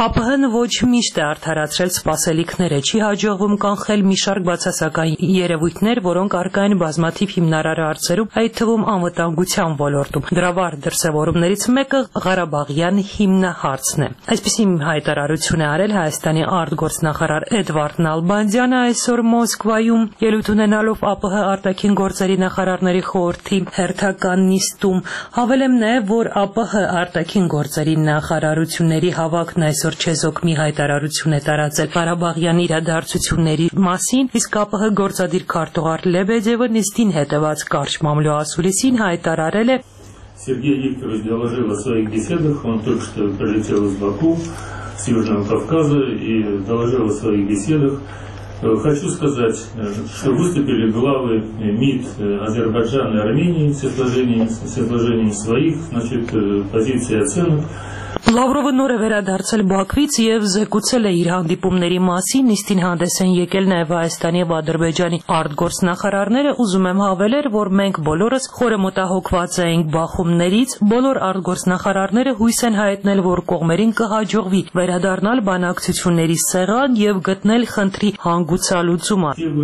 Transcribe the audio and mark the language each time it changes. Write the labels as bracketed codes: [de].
[hy] ԱՊՀ-ն ոչ միշտ է արդարացրել սպասելիքները, չի հաջողվում կանխել մի շարք բացասական երևույթներ, որոնք առկա են բազմաթիվ հիմնարար հարցերում, այդ թվում անվտանգության ոլորտում։ Դրա վառ դրսևորումներից մեկը Ղարաբաղյան հիմնահարցն է։ Այսպիսի հայտարարություն է արել Հայաստանի արտգործնախարար Էդվարդ Նալբանդյանը այսօր Մոսկվայում, ելույթ ունենալով ԱՊՀ արտաքին գործերի նախարարների խորհրդի հերթական նիստում։ Հավելեմ նաև, որ ԱՊՀ արտաքին գործերի նախարարությունների հավաքն այսօր չեզոք մի հայտարարություն է տարածել Ղարաբաղյանի իրադարձությունների մասին, իսկ ԱՊՀ գործադիր քարտուղար Լեբեդևը նիստին հետևած կարճ մամլոյասուլիսին հայտարարել է. [ru] Сергей Викторович доложил о своих беседах. Он только что прилетел из Баку, с Южного Кавказа, и доложил о своих беседах. Хочу сказать, что выступили главы МИД Азербайджана и Армении с изложением своих позиций и оценок. [hy] Լավրովը նոր է վերադարձել Բաքվից եւ զեկուցել է իր հանդիպումների մասին, իստին հանդես են եկել նաեւ Հայաստանի եւ Ադրբեջանի արտգործնախարարները, ուզում եմ հավելել, որ մենք բոլորս խորը մտահոգված ենք բախումներից, բոլոր արտգործնախարարները հույս են հայտնել, որ կողմերին կհաջողվի վերադառնալ բանակցությունների սեղան եւ գտնել խնդրի հանգուցալուծումը։